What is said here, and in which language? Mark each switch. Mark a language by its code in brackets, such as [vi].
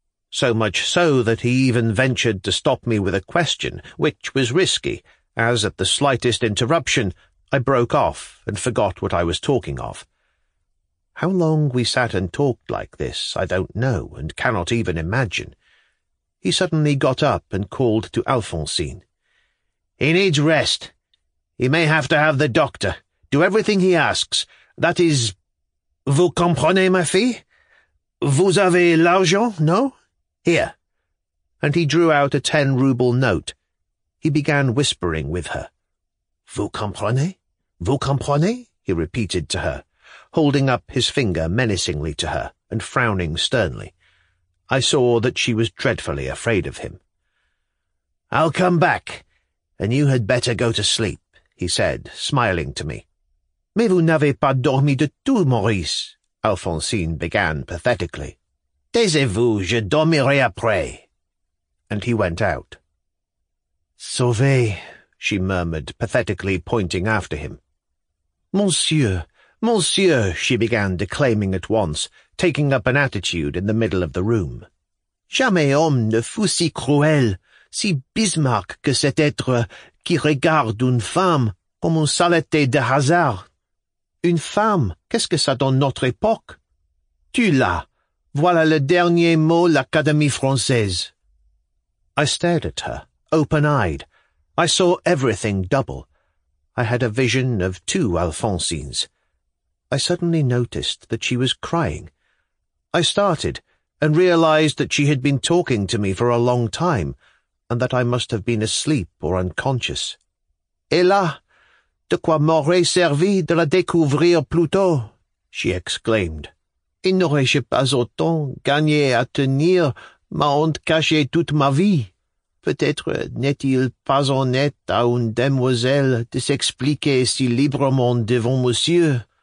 [en] So much so that he even ventured to stop me with a question, which was risky, as at the slightest interruption I broke off and forgot what I was talking of. How long we sat and talked like this I don't know and cannot even imagine. He suddenly got up and called to Alphonsine. "He needs rest. He may have to have the doctor. Do everything he asks. That is, [fr] vous comprenez, ma fille? Vous avez l'argent, [en] no? Here." And he drew out a 10-ruble note. He began whispering with her. [fr] "Vous comprenez? Vous comprenez?" [en] he repeated to her, holding up his finger menacingly to her and frowning sternly. I saw that she was dreadfully afraid of him. "I'll come back, and you had better go to sleep," he said, smiling to me. [fr] "Mais vous n'avez pas dormi de tout, Maurice," Alphonsine [en] began pathetically. [fr] "Taisez-vous, je dormirai après." [en] And he went out. [fr] "Sauvé," [en] she murmured, pathetically pointing after him. [fr] "Monsieur, monsieur," [en] she began declaiming at once, taking up an attitude in the middle of the room. [fr] "Jamais homme ne fut si cruel, si bismarck que cet être qui regarde une femme comme une saleté de hasard. Une femme, qu'est-ce que ça dans notre époque? Tu l'as. Voilà le dernier mot l'Académie française." [en] I stared at her, open-eyed. I saw everything double. I had a vision of two Alphonsines. I suddenly noticed that she was crying. I started and realized that she had been talking to me for a long time and that I must have been asleep or unconscious. [fr] "Et là, de quoi m'aurait servi de la découvrir plus tôt?" [en] she exclaimed. [fr] "Et n'aurais-je pas autant gagné à tenir ma honte cachée toute ma vie?" peut-être n'est-il pas honnête à une demoiselle de s'expliquer si librement devant monsieur.